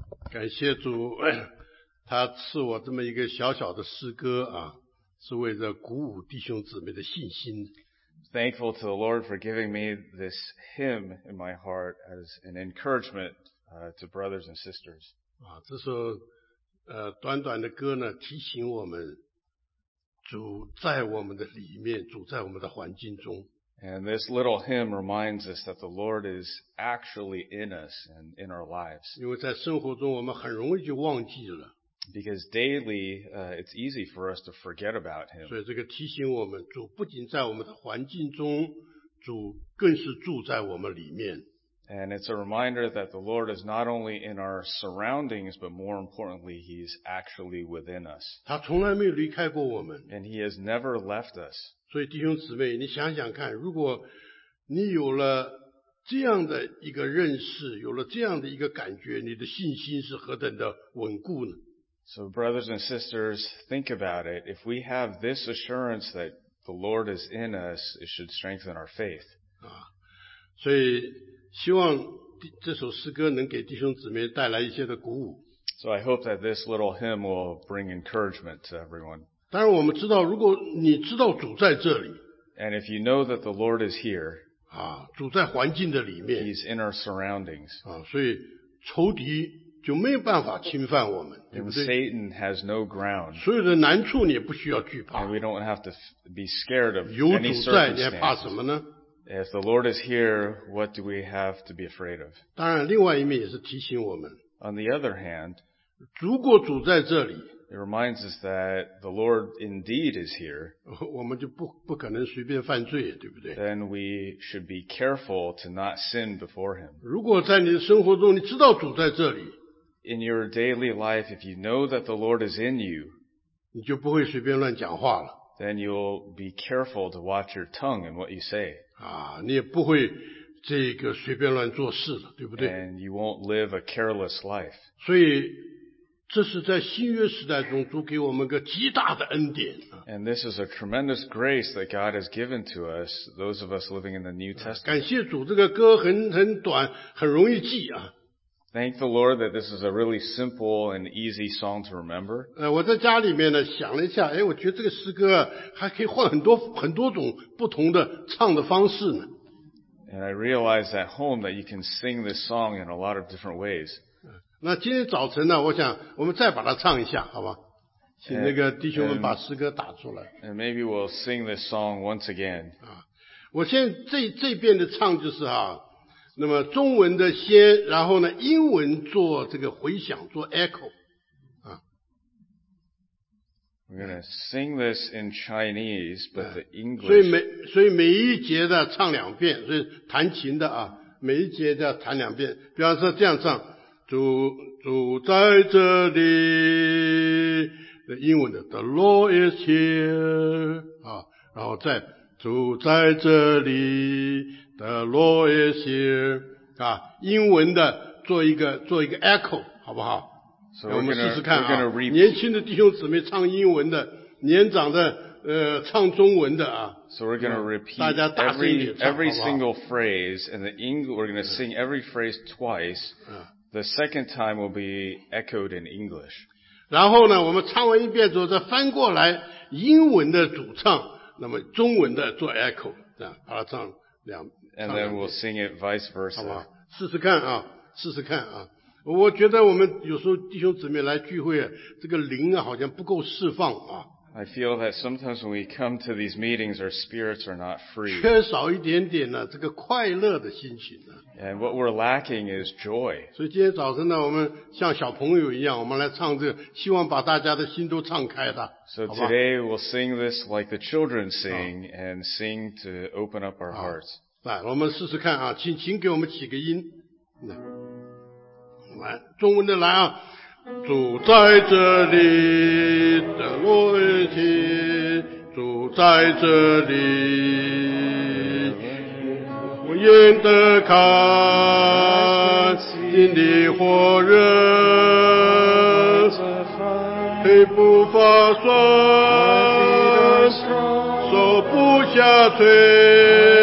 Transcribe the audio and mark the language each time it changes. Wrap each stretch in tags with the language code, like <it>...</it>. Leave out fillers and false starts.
<zh>感谢主，他赐我这么一个小小的诗歌啊，是为了鼓舞弟兄姊妹的信心。</zh> <en>Thankful to the Lord for giving me this hymn in my heart as an encouragement to brothers and sisters.</en> <zh>啊，这首短短的歌呢，提醒我们，主在我们的里面，主在我们的环境中。</zh> <en>And this little hymn reminds us that the Lord is actually in us and in our lives.</en> <zh>因为在生活中我们很容易就忘记了。</zh> <en>Because daily, it's easy for us to forget about Him.</en> <zh>所以这个提醒我们，主不仅在我们的环境中，主更是住在我们里面。</zh> <en>And it's a reminder that the Lord is not only in our surroundings, but more importantly, He's actually within us.</en> <zh>他从来没有离开过我们。</zh> <en>And He has never left us.</en> <zh>所以弟兄姊妹，你想想看，如果你有了这样的一个认识，有了这样的一个感觉，你的信心是何等的稳固呢？</zh> <en>So brothers and sisters, think about it. If we have this assurance that the Lord is in us, it should strengthen our faith.</en> <zh>所以希望这首诗歌能给弟兄姊妹带来一些的鼓舞。</zh> <en>So I hope that this little hymn will bring encouragement to everyone.</en> <zh>当然我们知道，如果你知道主在这里，</zh> <en>And if you know that the Lord is here,</en> <zh>啊，主在环境的里面，</zh> <en>He's in our surroundings.</en> <zh>啊，所以仇敌就没有办法侵犯我们，</zh> <en>And Satan has no ground.</en> <zh>所有的难处你也不需要惧怕。</zh> <en>And we don't have to be scared of any circumstances.</en> <zh>有主在，你还怕什么呢？</zh> <en>If the Lord is here, what do we have to be afraid of?</en> <zh>当然，另外一面也是提醒我们。</zh> <en>On the other hand,</en> <zh>如果主在这里，</zh> <en>it reminds us that the Lord indeed is here.</en> <zh>我们就不可能随便犯罪，对不对？</zh> <en>Then we should be careful to not sin before Him.</en> <zh>如果在你的生活中，你知道主在这里，</zh> <en>in your daily life, if you know that the Lord is in you,</en> <zh>你就不会随便乱讲话了。</zh> <en>Then you'll be careful to watch your tongue and what you say.</en> <zh>啊，你也不会这个随便乱做事了，对不对？</zh> <en>And you won't live a careless life.</en> <zh>所以这是在新约时代中主给我们个极大的恩典。</zh> <en>And this is a tremendous grace that God has given to us, those of us living in the New Testament.</en> <zh>感谢主，这个歌很短，很容易记啊。</zh> <en>Thank the Lord that this is a really simple and easy song to remember.</en> <zh>我在家里面呢想了一下，哎，我觉得这个诗歌还可以换很多种不同的唱的方式呢。</zh> <en>And I realized at home that you can sing this song in a lot of different ways.</en> <zh>那今天早晨呢，我想我们再把它唱一下，好吧？请那个弟兄们把诗歌打出来。</zh> <en>And maybe we'll sing this song once again.</en> <zh>我现在这遍的唱就是啊。那么中文的先，然后呢，英文做这个回响，做 echo 啊。</zh> <en>We're gonna sing this in Chinese, but the English.</en> <zh>所以每一节的唱两遍，所以弹琴的啊，每一节的弹两遍。比方说这样唱：主在这里，英文的</zh> <en>The Lord is here</en> <zh>啊，然后再主在这里。</zh> <en>The Lord is here.</en> <zh>啊，英文的做一个 echo, 好不好？</zh> <en>So</en> <zh>我们试试看啊。年轻的弟兄姊妹唱英文的，年长的唱中文的啊。</zh> <en>So we're gonna repeat</en> <zh>大家大声一点唱</zh> <en>every single phrase, and the English, we're gonna sing every phrase twice. The second time will be echoed in English.</en> <zh>然后呢，我们唱完一遍之后再翻过来英文的主唱，那么中文的做 echo, 这样把它唱两。</zh> <en>And then we'll sing it vice versa.</en> <zh>好吧，试试看啊，试试看啊。我觉得我们有时候弟兄姊妹来聚会，这个灵啊好像不够释放啊。</zh> <en>I feel that sometimes when we come to these meetings, our spirits are not free.</en> <zh>缺少一点点呢，这个快乐的心情呢。</zh> <en>And what we're lacking is joy.</en> <zh>所以今天早晨呢，我们像小朋友一样，我们来唱这个，希望把大家的心都唱开的。</zh> <en>So today we'll sing this like the children sing and sing to open up our hearts.</en> <zh>来，我们试试看啊，请给我们起个音。来，中文的来啊，主在这里的落叶梯，主在这里，我眼的看，心里火热，黑不发酸，手不下垂。</zh>